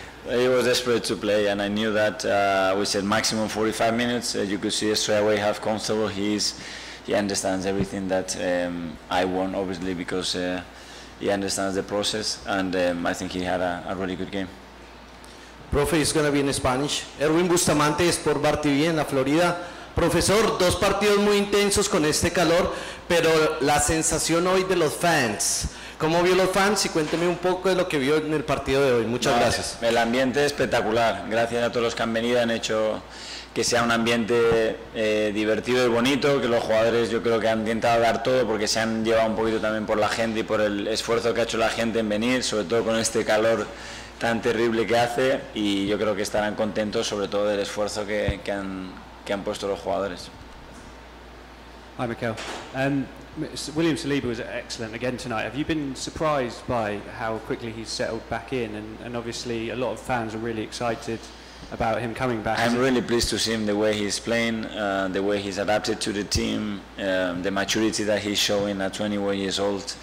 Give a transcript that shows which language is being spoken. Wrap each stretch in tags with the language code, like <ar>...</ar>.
<en>He was desperate to play, and I knew that. We said maximum 45 minutes. You could see straight away how comfortable he is. He understands everything that I want, obviously, because he understands the process, and I think he had a really good game. Profe, it's going to be in Spanish. Erwin Bustamante, Sport Bar TV en la Florida.</en> <es>Profesor, dos partidos muy intensos con este calor, pero la sensación hoy de los fans. ¿Cómo vio los fans? Y cuénteme un poco de lo que vio en el partido de hoy. Muchas gracias. El ambiente es espectacular. Gracias a todos los que han venido, han hecho que sea un ambiente divertido y bonito, que los jugadores yo creo que han intentado dar todo porque se han llevado un poquito también por la gente y por el esfuerzo que ha hecho la gente en venir, sobre todo con este calor tan terrible que hace, y yo creo que estarán contentos sobre todo del esfuerzo que han puesto los jugadores.</es> <en>Hi, Mikel. William Saliba was excellent again tonight. Have you been surprised by how quickly he's settled back in? And obviously a lot of fans are really excited about him coming back. I'm really pleased to see him, the way he's playing, the way he's adapted to the team, the maturity that he's showing at 21 years old.</en>